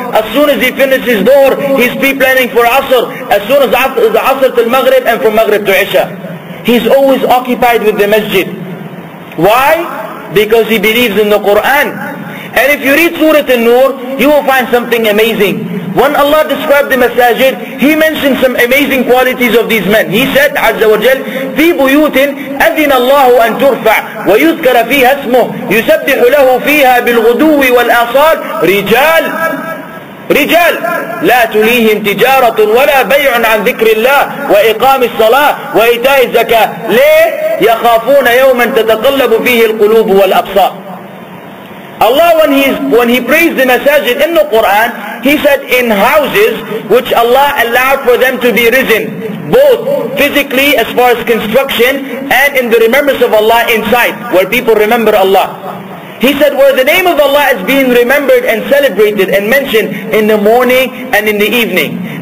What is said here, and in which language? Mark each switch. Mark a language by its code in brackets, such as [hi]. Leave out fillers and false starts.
[en] As soon as he finishes Dhuhr, he's pre-planning for Asr. As soon as Asr to Maghrib and from Maghrib to Isha. He's always occupied with the masjid. Why? Because he believes in the Quran. And if you read Surah An-Nur, you will find something amazing. When Allah described the masajid, He mentioned some amazing qualities of these men. He said, [ar] عز وجل, في بيوت أذن الله أن ترفع ويذكر فيها اسمه يسبح له فيها بالغدو والآصال رجال رجال لا تليهم تجارة ولا بيع عن ذكر الله وإقام الصلاة وإيتاء الزكاة ليه؟ يخافون يوما تتقلب فيه القلوب والأبصار. [en] Allah, when he praised the masajid in the Quran, He said in houses which Allah allowed for them to be risen, both physically as far as construction and in the remembrance of Allah inside, where people remember Allah. He said where the name of Allah is being remembered and celebrated and mentioned in the morning and in the evening.